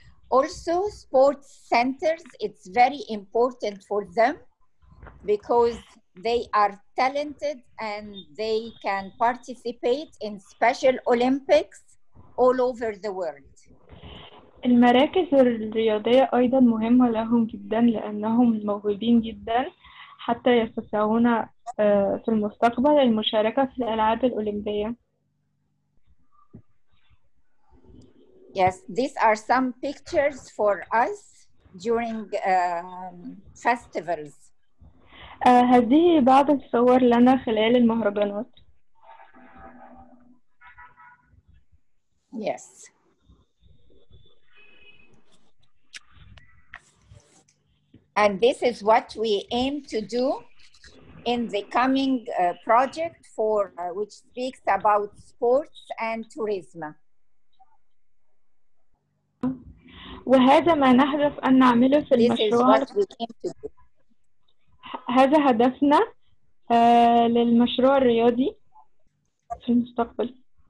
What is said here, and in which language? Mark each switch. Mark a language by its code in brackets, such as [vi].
[en] Also, sports centers, it's very important for them because they are talented and they can participate in Special Olympics all over the world. [ar] المراكز الرياضية أيضا مهمة لهم جدا لأنهم موهوبين جدا حتى يستطيعون في المستقبل المشاركة في الألعاب الأولمبية. [en] Yes, these are some pictures for us during festivals. [ar] هذه بعض الصور لنا خلال المهرجانات. [en] Yes. And this is what we aim to do in the coming project for which speaks about sports and tourism. [ar] وهذا ما نهدف أن نعمله في المشروع. هذا هدفنا للمشروع الرياضي في المستقبل.